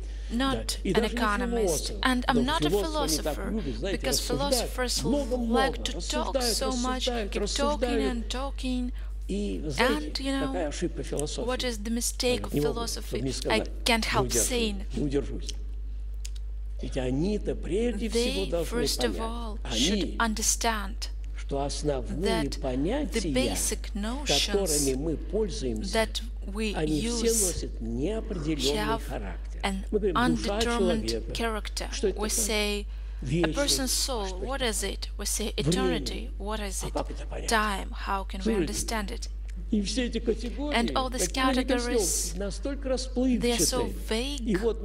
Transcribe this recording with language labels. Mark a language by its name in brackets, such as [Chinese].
[English] not an economist, and I'm not a philosopher, because philosophers like to talk so much, keep talking and talking, and, you know, what is the mistake of philosophy? I can't help saying. [Russian] Ведь они-то прежде всего должны понять. Что основные понятия, которыми мы пользуемся, они все носят неопределенный характер. [English] An undetermined character. We say a person's soul, what is it? We say eternity, what is it? Time, how can we understand it? And all these categories, they are so vague.